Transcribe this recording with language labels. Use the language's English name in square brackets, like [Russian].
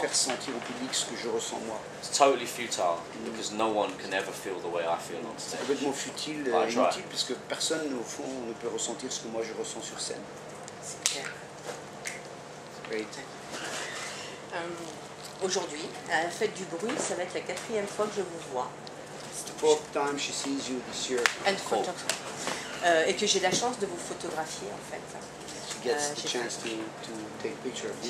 [English] It's totally futile because no one can ever feel the way I feel on stage. [French] C'est complètement futile et inutile puisque personne au fond ne peut ressentir ce que moi je ressens sur scène. C'est clair. [English] Great. [French] Aujourd'hui, à la fête du bruit, ça va être la quatrième fois que je vous vois. [English] Fourth time she sees you this year. And photo. [French] Et que j'ai la chance de vous photographier en fait. [English] She gets the chance to take picture of you.